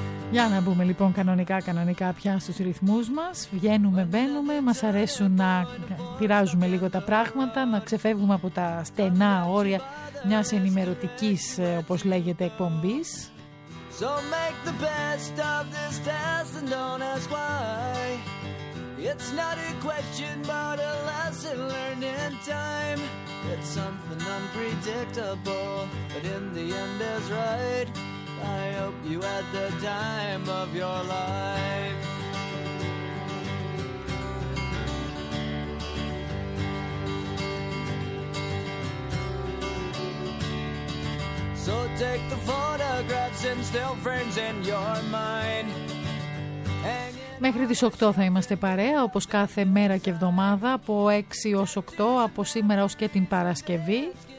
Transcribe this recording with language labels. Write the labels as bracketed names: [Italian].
[Greek] Για να μπούμε λοιπόν κανονικά πια στους ρυθμούς μας. Βγαίνουμε, μπαίνουμε, μας αρέσουν να πειράζουμε λίγο τα πράγματα, να ξεφεύγουμε από τα στενά όρια μιας ενημερωτικής, όπως λέγεται, εκπομπής. [English] So make the best of this test and don't ask why. It's not a question but a lesson learned in time. It's something unpredictable but in the end is right. I hope you had the time of your life. So take the photographs and still frames in your mind. [Greek] Μέχρι τις 8 θα είμαστε παρέα, όπως κάθε μέρα και εβδομάδα, από 6 ως 8, από σήμερα ως και την Παρασκευή.